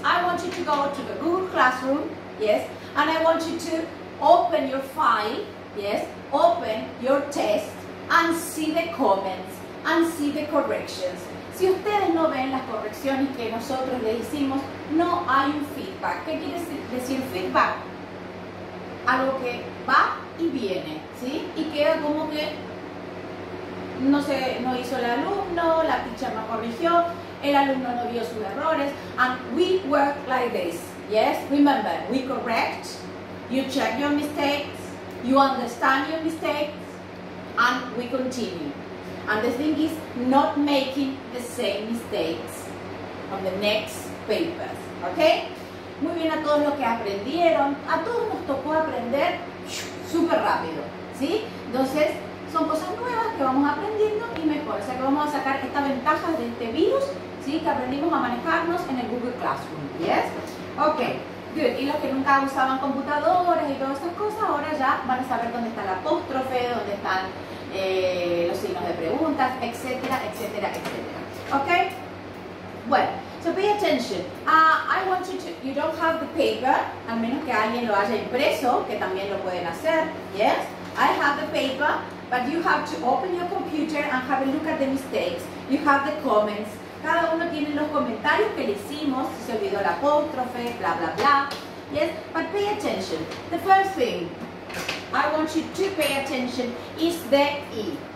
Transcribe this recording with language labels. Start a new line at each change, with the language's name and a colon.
English: I want you to go to the Google Classroom, yes, and I want you to open your file, yes, open your test and see the comments. And see the corrections.
Spanish: Si ustedes no ven las correcciones que nosotros les hicimos, no hay un feedback. ¿Qué quiere decir feedback? Algo que va y viene, ¿sí? Y queda como que no se, no hizo el alumno, la teacher no corrigió, el alumno no vio sus errores.
English: And we work like this, yes? Remember, we correct, you check your mistakes, you understand your mistakes, and we continue. And the thing is, not making the same mistakes on the next papers, ¿ok?
Spanish: Muy bien a todos los que aprendieron. A todos nos tocó aprender súper rápido, ¿sí? Entonces, son cosas nuevas que vamos aprendiendo y mejor. O sea que vamos a sacar estas ventajas de este virus, ¿sí? Que aprendimos a manejarnos en el Google Classroom. ¿Yes? Ok. Y los que nunca usaban computadores y todas esas cosas, ahora ya van a saber dónde está la apóstrofe, dónde están los signos de preguntas, etcétera, etcétera, etcétera.
English: ¿Ok? Bueno, so pay attention. I want you to, you don't have the paper,
Spanish: al menos que alguien lo haya impreso, que también lo pueden hacer.
English: Yes? I have the paper, but you have to open your computer and have a look at the mistakes. You have the comments.
Spanish: Cada uno tiene los comentarios que le hicimos, si se olvidó la apóstrofe, bla, bla, bla.
English: Yes? But pay attention. The first thing I want you to pay attention is the E.